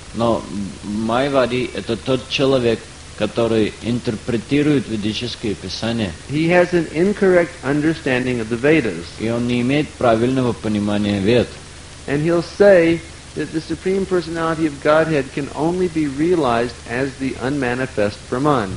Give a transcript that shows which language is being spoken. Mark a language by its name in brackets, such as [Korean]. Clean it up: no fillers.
[Russian] Но Mayavadi это тот человек, который интерпретирует ведические писания. [English] He has an incorrect understanding of the Vedas. [Russian] И он не имеет правильного понимания Вед. [English] And he'll say that the Supreme Personality of Godhead can only be realized as the unmanifest Brahman.